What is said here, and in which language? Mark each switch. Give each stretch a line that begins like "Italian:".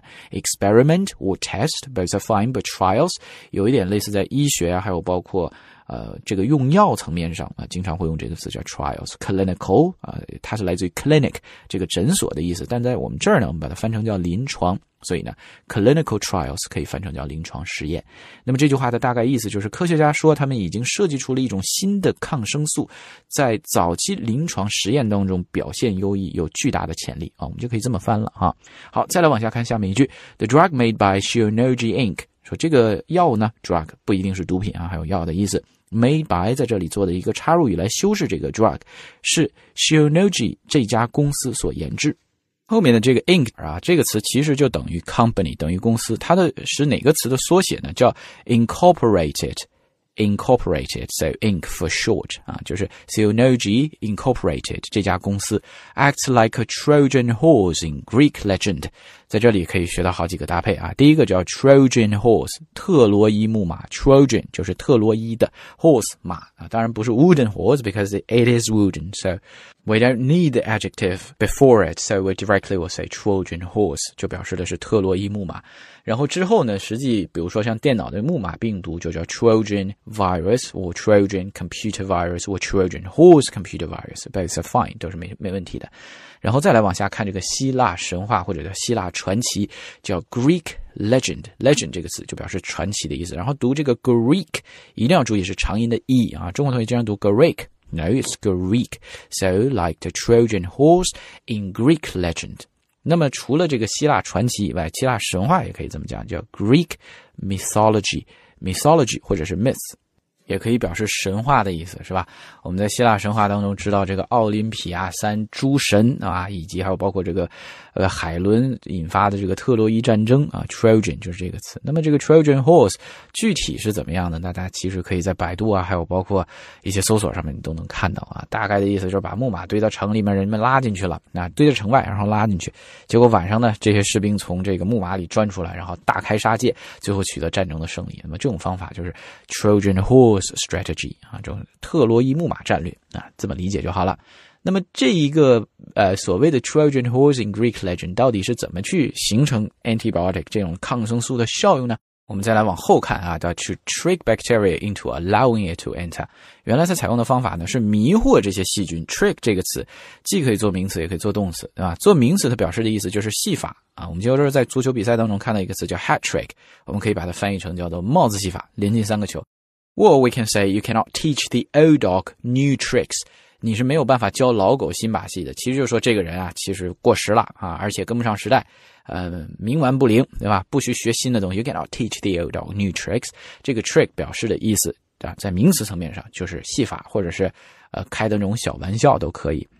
English: Experiment or test, both are fine, but trials
Chinese: 有一点类似在医学啊，还有包括这个用药层面上经常会用这个词叫 trials, clinical, 它是来自于 clinic, 这个诊所的意思，但在我们这儿呢我们把它翻成叫临床，所以呢 clinical trials 可以翻成叫临床实验。那么这句话的大概意思就是科学家说他们已经设计出了一种新的抗生素，在早期临床实验当中表现优异，有巨大的潜力我们就可以这么翻了啊。好，再来往下看下面一句
English: The drug made by Shionogi Inc.
Chinese: 说这个药呢 drug 不一定是毒品啊，还有药的意思 made by 在这里做的一个插入语来修饰这个 drug 是 Shionogi 这家公司所研制。后面的这个 Inc. 啊，这个词其实就等于 company 等于公司，它的是哪个词的缩写呢，叫 incorporated
English: Incorporated, so Inc. for short,
Chinese: 就是
English: Shionogi Incorporated,
Chinese: 这家公司
English: acts like a Trojan horse in Greek legend.
Chinese: 在这里可以学到好几个搭配啊。
English: 第一个叫 Trojan horse,
Chinese: 特洛伊木马
English: ,Trojan, 就是特洛伊的 horse,
Chinese: 马当然不是
English: wooden horse, because it is wooden, so we don't need the adjective before it, so we directly will say Trojan horse,
Chinese: 就表示的是特洛伊木马。然后之后呢，实际比如说像电脑的木马病毒就叫
English: Trojan virus or Trojan computer virus or Trojan horse computer virus, both are fine,
Chinese: 都是 没问题的。然后再来往下看这个希腊神话或者叫希腊传奇叫 Greek legend, legend 这个词就表示传奇的意思，然后读这个 Greek 一定要注意是长音的 E 啊，中国同学经常读 Greek,
English: No, it's Greek. So, like the Trojan horse in Greek legend.
Chinese: 那么除了这个希腊传奇以外，希腊神话也可以这么讲，叫 Greek mythology. Mythology 或者是 myth 也可以表示神话的意思，是吧？我们在希腊神话当中知道这个奥林匹亚三诸神啊，以及还有包括这个海伦引发的这个特洛伊战争啊 ,Trojan 就是这个词。那么这个 Trojan horse 具体是怎么样的，大家其实可以在百度啊还有包括一些搜索上面你都能看到啊，大概的意思就是把木马堆到城里面，人们拉进去了，堆到城外然后拉进去。结果晚上呢这些士兵从这个木马里钻出来，然后大开杀戒，最后取得战争的胜利。那么这种方法就是 Trojan horse strategy, 啊这种特洛伊木马战略啊，这么理解就好了。那么这一个所谓的 Trojan Horse in Greek Legend 到底是怎么去形成 antibiotic 这种抗生素的效用呢？我们再来往后看啊，叫
English: to trick bacteria into allowing it to enter。
Chinese: 原来它采用的方法呢是迷惑这些细菌。trick 这个词既可以做名词也可以做动词，对吧？做名词它表示的意思就是戏法啊。我们就是在足球比赛当中看到一个词叫 hat trick， 我们可以把它翻译成叫做帽子戏法，连进三个球。
English: Well, we can say you cannot teach the old dog new tricks。
Chinese: 你是没有办法教老狗新把戏的，其实就是说这个人啊其实过时了啊，而且跟不上时代，冥顽不灵，对吧？不需学新的东西。
English: You cannot teach the old dog new tricks。
Chinese: 这个 trick 表示的意思啊，在名词层面上就是戏法，或者是开的那种小玩笑都可以。